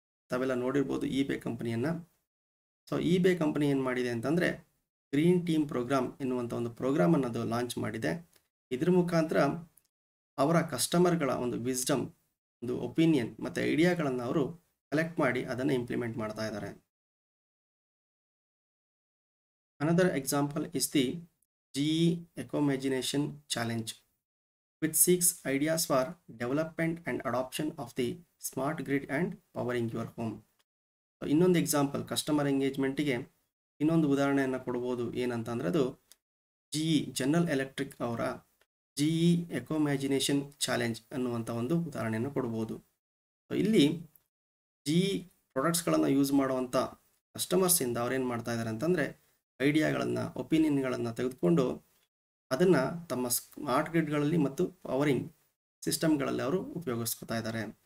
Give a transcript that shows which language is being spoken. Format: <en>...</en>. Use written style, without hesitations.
<kn>ತಾವೆಲ್ಲ ನೋಡಿರ್ಬೋದು eBay ಕಂಪ್ನಿಯನ್ನು. So eBay company ಏನು ಮಾಡಿದೆ ಅಂತಂದರೆ ಗ್ರೀನ್ ಟೀಮ್ ಪ್ರೋಗ್ರಾಮ್ ಎನ್ನುವಂಥ ಒಂದು ಪ್ರೋಗ್ರಾಮ್ ಅನ್ನೋದು ಲಾಂಚ್ ಮಾಡಿದೆ. ಇದ್ರ ಮುಖಾಂತರ ಅವರ ಕಸ್ಟಮರ್ಗಳ ಒಂದು ವಿಸ್ಡಮ್, ಒಂದು ಒಪಿನಿಯನ್ ಮತ್ತು ಐಡಿಯಾಗಳನ್ನು ಅವರು ಕಲೆಕ್ಟ್ ಮಾಡಿ ಅದನ್ನು ಇಂಪ್ಲಿಮೆಂಟ್ ಮಾಡ್ತಾ ಇದ್ದಾರೆ.</kn> <en>Another example is the GE Ecomagination Challenge, which seeks ideas for development and adoption of the smart grid and powering your home.</en> <kn>So, ಇನ್ನೊಂದು ಎಕ್ಸಾಂಪಲ್ ಕಸ್ಟಮರ್ ಎಂಗೇಜ್ಮೆಂಟಿಗೆ ಇನ್ನೊಂದು ಉದಾಹರಣೆಯನ್ನು ಕೊಡ್ಬೋದು ಏನಂತಂದರೆ, ಅದು GE ಜನರಲ್ ಎಲೆಕ್ಟ್ರಿಕ್ ಅವರ GE Ecomagination Challenge ಅನ್ನುವಂಥ ಒಂದು ಉದಾಹರಣೆಯನ್ನು ಕೊಡ್ಬೋದು. ಸೊ ಇಲ್ಲಿ GE ಪ್ರಾಡಕ್ಟ್ಸ್ಗಳನ್ನು ಯೂಸ್ ಮಾಡುವಂಥ ಕಸ್ಟಮರ್ಸಿಂದ ಅವ್ರೇನು ಮಾಡ್ತಾ ಇದ್ದಾರೆ ಅಂತಂದರೆ ಐಡಿಯಾಗಳನ್ನು, ಒಪಿನಿಯನ್ಗಳನ್ನು ತೆಗೆದುಕೊಂಡು ಅದನ್ನು ತಮ್ಮ ಸ್ಮಾರ್ಟ್ ಗ್ರಿಡ್ಗಳಲ್ಲಿ ಮತ್ತು ಪವರಿಂಗ್ ಸಿಸ್ಟಮ್ಗಳಲ್ಲಿ ಅವರು ಉಪಯೋಗಿಸ್ಕೋತಾ ಇದ್ದಾರೆ.</kn>